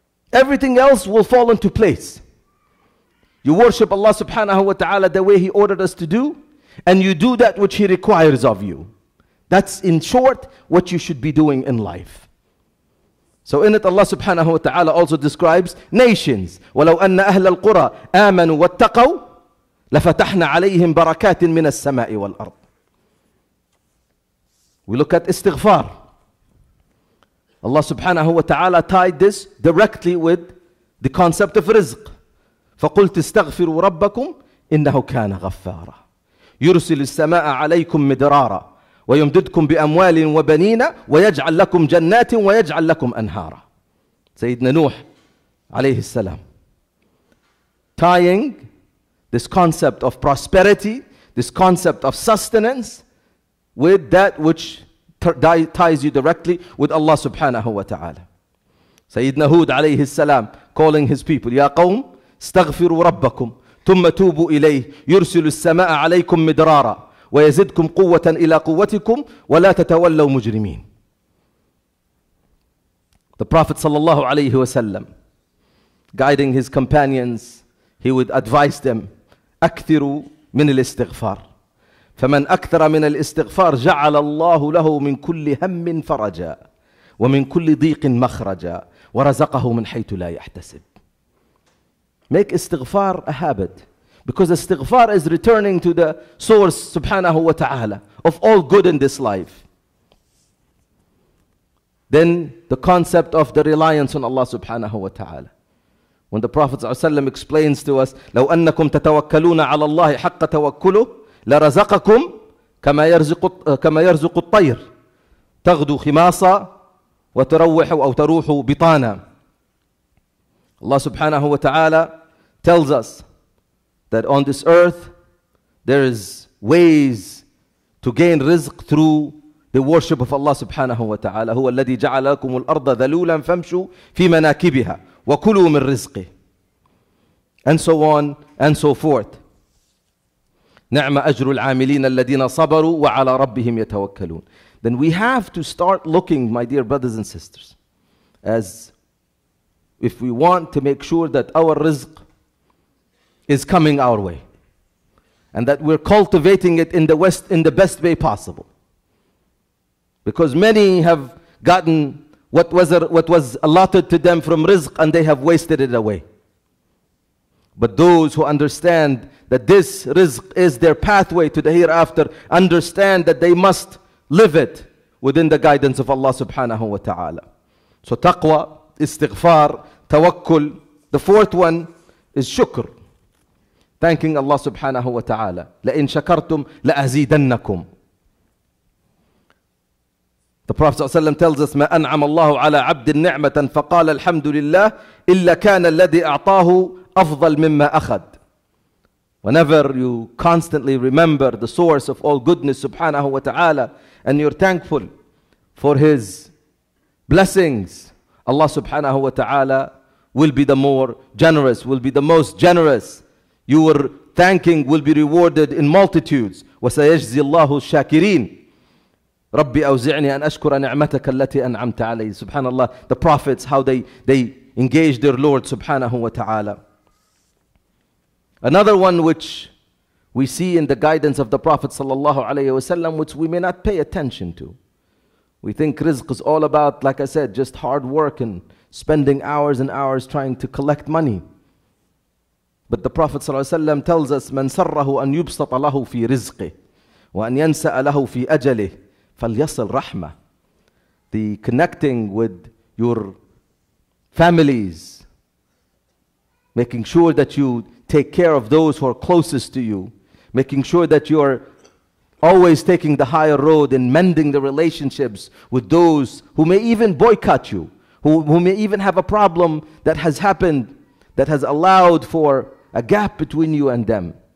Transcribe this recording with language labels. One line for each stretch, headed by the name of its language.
English: Everything else will fall into place. You worship Allah subhanahu wa ta'ala the way He ordered us to do, and you do that which He requires of you. That's in short what you should be doing in life. So in it, Allah subhanahu wa ta'ala also describes nations.
Arabic: وَلَوْ أَنَّ أَهْلَ الْقُرَىٰ آمَنُوا وَاتَّقَوْا لَفَتَحْنَا عَلَيْهِمْ بَرَكَاتٍ مِنَ السَّمَاءِ وَالْأَرْضِ.
English: We look at istighfar. Allah subhanahu wa ta'ala tied this directly with the concept of rizq.
Arabic: فَقُلْتِ اسْتَغْفِرُوا رَبَّكُمْ إِنَّهُ كَانَ غَفَّارًا يرسل السماء عليكم مدرارا ويمددكم بأموال وبنين ويجعل لكم جنات ويجعل لكم أنهارا.
English: سيدنا نوح عليه السلام, tying this concept of prosperity, this concept of sustenance, with that which ties you directly with Allah subhanahu wa ta'ala.
Arabic: سيدنا هود عليه السلام
English: calling his people,
Arabic: يا قوم استغفروا ربكم ثم توبوا إليه يرسل السماء عليكم مدرارا ويزدكم قوة إلى قوتكم ولا تتولوا مجرمين.
English: The Prophet sallallahu alayhi wa sallam, guiding his companions, he would advise them,
Arabic: أكثروا من الاستغفار فمن أكثر من الاستغفار جعل الله له من كل هم فرجا ومن كل ضيق مخرجا ورزقه من حيث لا يحتسب.
English: Make istighfar a habit, because istighfar is returning to the source subhanahu wa ta'ala of all good in this life. Then the concept of the reliance on Allah subhanahu wa ta'ala. When the Prophet ﷺ explains to us,
Arabic: لو أنكم تتوكلون على الله حق توكله لرزقكم كما يرزق الطير تغدو خماصا وتروح أو تروح بطانا.
English: Allah subhanahu wa ta'ala tells us that on this earth, there is ways to gain rizq through the worship of Allah subhanahu wa ta'ala.
Arabic: هو الذي جعل لكم الأرض ذلولا فامشوا في مناكبها وكلوا من رزقه.
English: And so on and so forth.
Arabic: نعم أجر العاملين الذين صبروا وعلى ربهم يتوكلون.
English: Then we have to start looking, my dear brothers and sisters, as if we want to make sure that our rizq is coming our way and that we're cultivating it in the West in the best way possible. Because many have gotten what was allotted to them from rizq and they have wasted it away. But those who understand that this rizq is their pathway to the hereafter understand that they must live it within the guidance of Allah subhanahu wa ta'ala. So taqwa, istighfar, tawakkul. The fourth one is shukr. Thanking Allah subhanahu wa ta'ala.
Arabic: لَإِن شَكَرْتُمْ لَأَزِيدَنَّكُمْ.
English: The Prophet ﷺ tells us,
Arabic: مَا أَنْعَمَ اللَّهُ عَلَى عَبْدِ النِّعْمَةً فَقَالَ الْحَمْدُ لِلَّهِ إِلَّا كَانَ الَّذِي أَعْطَاهُ أَفْضَلْ مِمَّا أَخَدْ.
English: Whenever you constantly remember the source of all goodness subhanahu wa ta'ala and you're thankful for his blessings, Allah subhanahu wa ta'ala will be the more generous, will be the most generous. Your thanking will be rewarded in multitudes.
Arabic: وَسَيَجْزِي اللَّهُ الشَّاكِرِينَ. رَبِّ أَوْزِعْنِي أَنْ أَشْكُرَ نِعْمَتَكَ الَّتِي أَنْعَمْتَ عَلَيْهِ.
English: Subhanallah, the prophets, how they engage their Lord subhanahu wa ta'ala. Another one which we see in the guidance of the Prophet sallallahu alayhi wa sallam, which we may not pay attention to. We think rizq is all about, like I said, just hard work and spending hours and hours trying to collect money. But the Prophet sallallahu alayhi wa sallam tells us,
Arabic: مَنْ سَرَّهُ أَنْ يُبْسَطَ لَهُ فِي رِزْقِهِ وَأَنْ يَنْسَأَ لَهُ فِي أَجَلِهِ فَلْيَصِلْ رَحْمَةِ.
English: The connecting with your families, making sure that you take care of those who are closest to you, making sure that you are always taking the higher road and mending the relationships with those who may even boycott you, who may even have a problem that has happened, that has allowed for a gap between you and them.